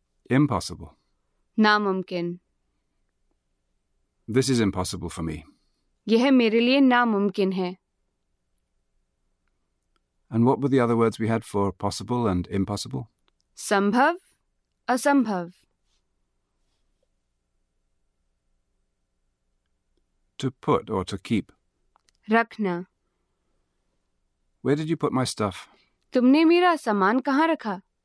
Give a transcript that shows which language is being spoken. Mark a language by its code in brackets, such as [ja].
[en] Impossible. [hi] नामुमकिन. [en] This is impossible for me. [hi] यह मेरे लिए नामुमकिन है. [en] And what were the other words we had for possible and impossible? [hi] संभव, असंभव. [en] To put or to keep. [hi] रखना. [en] Where did you put my stuff? [hi] तुमने मेरा सामान कहाँ रखा?